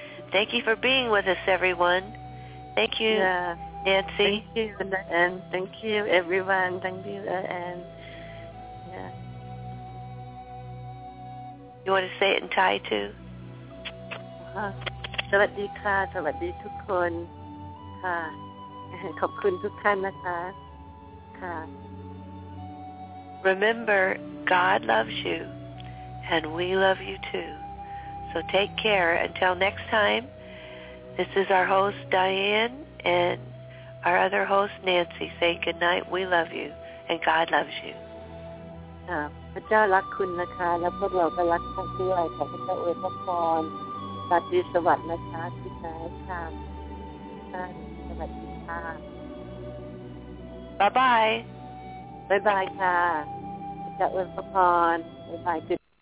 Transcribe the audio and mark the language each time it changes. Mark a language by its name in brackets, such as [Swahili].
[English] Thank you for being with us, everyone. Thank you, Nancy. Thank you, and thank you, everyone. Thank you, and You want to say it in Thai too? [Thai] สวัสดีค่ะสวัสดีทุกคนค่ะขอบคุณทุกท่านนะคะค่ะ [English] Remember, God loves you, and we love you too. So take care until next time. This is our host Diane and our other host Nancy saying good night. We love you, and God loves you. [Thai] ค่ะพระเจ้ารักคุณนะคะแล้วพวกเราก็รักท่านด้วยขอพระเจ้าอวยพรสวัสดีสวัสดีนะคะที่ไหนค่ะท่านสวัสดีค่ะ [English] Bye-bye. Bye-bye, Kat. That was the fun. Bye-bye.